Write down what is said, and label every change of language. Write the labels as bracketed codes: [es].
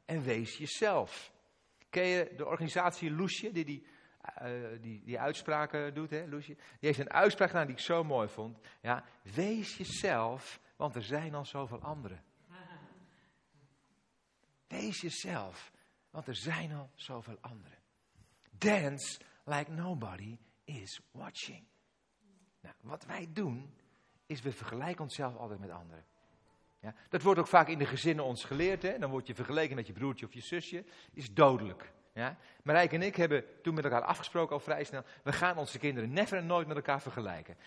[nl] En wees jezelf. Ken je de organisatie Loesje, die uitspraken doet, hè, Loesje? Die heeft een uitspraak gedaan die ik zo mooi vond. Ja? Wees jezelf, want er zijn al zoveel anderen. Wees jezelf, want er zijn al zoveel anderen. [en] Dance like nobody is watching. [nl] Nou, wat wij doen, is we vergelijken onszelf altijd met anderen. Ja? Dat wordt ook vaak in de gezinnen ons geleerd. Hè? Dan word je vergeleken met je broertje of je zusje. Is dodelijk. Ja? Marijk en ik hebben toen met elkaar afgesproken al vrij snel. We gaan onze kinderen never en nooit met elkaar vergelijken.